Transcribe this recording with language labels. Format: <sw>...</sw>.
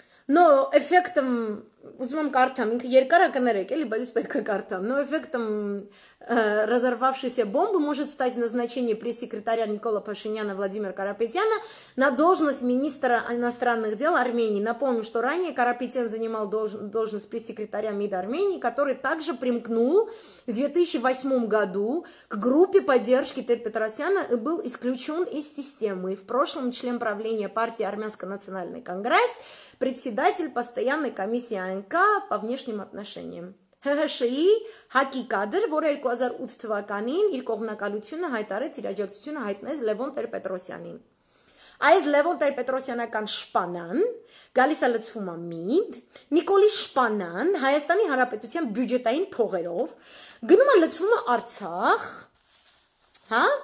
<hy>նո էֆեկտը, ուզում եմ կարդամ, ինքը երկար է կներեք, էլի, բայց ես պետք է կարդամ, նո էֆեկտը</hy> <ru>разорвавшейся бомбы может стать назначение пресс-секретаря Никола Пашиняна Владимира Карапетяна на должность министра иностранных дел Армении. Напомню, что ранее Карапетян занимал должность пресс-секретаря МИД Армении, который также примкнул в 2008 году к группе поддержки Тер-Петросяна и был исключен из системы. В прошлом член правления партии Армянско-национальный конгресс, председатель постоянной комиссии АНК по внешним отношениям.</ru> <hy>ՀՀՇ-ի հակի կադր, որը 2008 թվականին իր կողմնակալությունը հայտարարեց, իր աջակցությունը հայտնեց Լևոն Տեր-Պետրոսյանին։ Այս Լևոն Տեր-Պետրոսյանական Շպանան գալիս է լցվում ամիդ, Նիկոլի Շպանան Հայաստանի Հանրապետության բյուջետային փողերով գնում է լցվում Արցախ, հա?</hy>